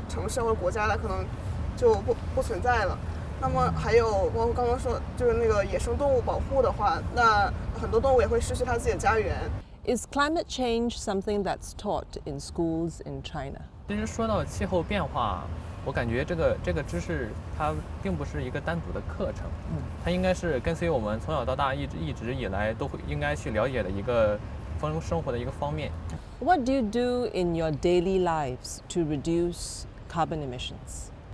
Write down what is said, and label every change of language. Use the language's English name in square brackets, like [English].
[Chinese] 我认为这是一个很重要的话题。气候变化是一个全人类共同相关的问题，它也与我们曾经提到过的我国的人类命运共同体的设想是密切相关的。这是每一个人都应该所关注的话题。我认为它也跟我们生活是密切相关的，是一个很重要的。比如说，就听说如果这个海平面继续上升多少的话，可能比如说，美丽的这个威尼斯这种城市，它可能就会消失，甚至有的如果继续上升，可能有些滨海的一些城市会国家的可能就不存在了。 [English] Is climate change something that's taught in schools in China? [Chinese] 其实说到气候变化，我感觉这个知识它并不是一个单独的课程，它应该是跟随我们从小到大一直以来都应该去了解的一个生活的一个方面。 [English] What do you do in your daily lives to reduce carbon emissions?